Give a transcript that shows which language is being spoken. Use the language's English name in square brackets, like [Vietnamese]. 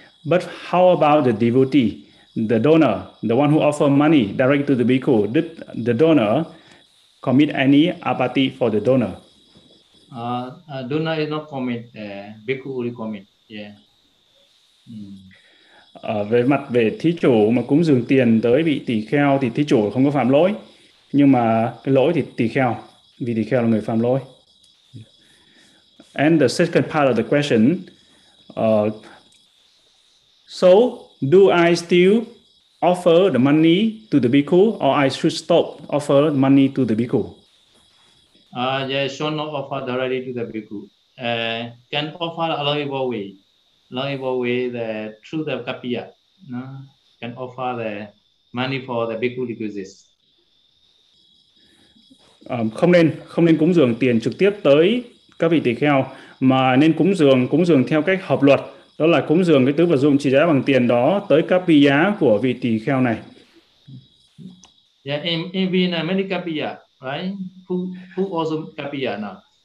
[English] But how about the devotee, the donor, the one who offer money directly to the bhikkhu? Did the donor commit any abati for the donor? Donor is not commit, bhikkhu only commit, yeah. [Vietnamese] Về mặt về thí chủ mà cúng dường tiền tới vị tỳ kheo thì thí chủ không có phạm lỗi, nhưng mà cái lỗi thì tỳ kheo, vì tỳ kheo là người phạm lỗi. [English] And the second part of the question, so do I still offer the money to the bhikkhu or I should stop offer money to the bhikkhu? Yeah, should not offer directly to the bhikkhu. Can offer along your way. Through the kapia, no? Can offer the money for the bhikkhu requisites. [Vietnamese] Không nên cúng dường tiền trực tiếp tới các vị tỳ kheo, mà nên cúng dường theo cách hợp luật, đó là cúng dường cái tứ vật dụng trị giá bằng tiền đó tới các vị giá của vị tỳ kheo này. [English] Yeah, in Vienna, many kapia, right? Who also kapia now?